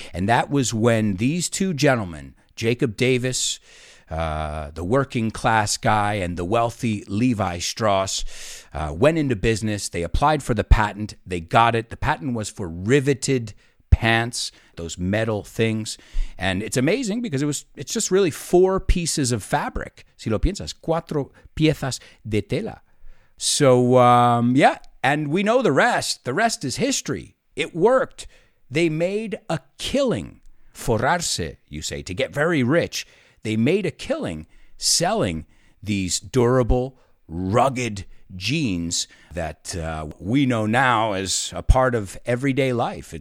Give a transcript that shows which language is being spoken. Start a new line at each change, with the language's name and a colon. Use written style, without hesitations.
English: And that was when these two gentlemen, Jacob Davis, the working class guy, and the wealthy Levi Strauss, went into business. They applied for the patent. They got it. The patent was for riveted pants, those metal things. And it's amazing because it's just really four pieces of fabric.
Spanish: Si lo piensas, cuatro piezas de tela.
English: So, yeah, and we know the rest. The rest is history. It worked. They made a killing. Forrarse, you say, to get very rich. They made a killing selling these durable, rugged jeans that we know now as a part of everyday life.